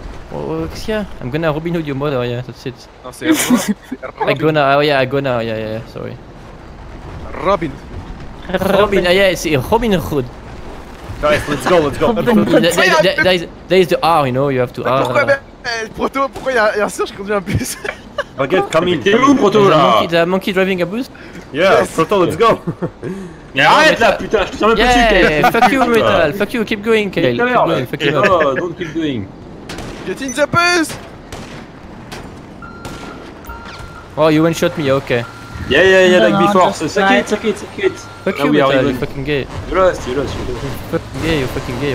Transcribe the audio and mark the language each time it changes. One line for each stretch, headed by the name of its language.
English: Oh, what's here? I'm gonna Robin Hood your mother, yeah, that's it. No,
French: c'est
English: I'm gonna, oh yeah, I'm gonna, yeah, sorry. Robin, oh, yeah, it's Robin Hood. Guys, let's go. there is the R, you know, you have to
French: mais
English: R.
French: Pourquoi, mais, Proto, pourquoi y'a un serge qui conduit un bus?
English: Ok, coming.
French: T'es où, Proto, là? T'as un
English: monkey driving a bus? Yeah, yes. Proto, let's go.
French: Mais arrête là, putain, je te sens même pas dessus, Kale.
English: Fuck you, Metal, fuck you, keep going, Kale. Keep going, fuck you. Oh, don't keep going. Get in the bus! Oh, you one shot me, okay. Yeah, like before, so suck it. Fuck you, Metal, you fucking gay. You lost. Fucking gay, you fucking gay.